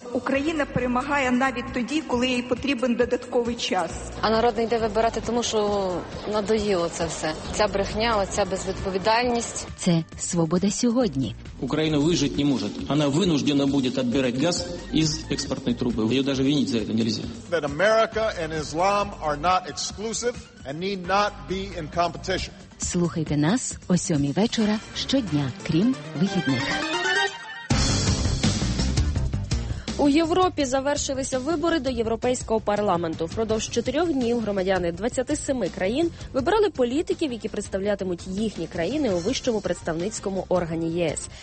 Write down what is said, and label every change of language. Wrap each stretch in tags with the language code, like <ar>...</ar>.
<uk>Україна перемагає навіть тоді, коли їй потрібен додатковий час. А народ не йде вибирати, тому що надоїло це все. Ця брехня, оця безвідповідальність. Це «Свобода сьогодні». Україна вижити не може. Вона винуждена буде відбирати газ із експортної труби. Її навіть винити за це нельзя.</uk> <en>That America and Islam are not exclusive. And need not be in competition.</en> <uk>Слухайте нас о 7 вечора щодня, крім вихідних. У Європі завершилися вибори до Європейського парламенту. Впродовж 4 днів громадяни 27 країн вибирали політиків, які представлятимуть їхні країни у вищому представницькому органі ЄС.</uk>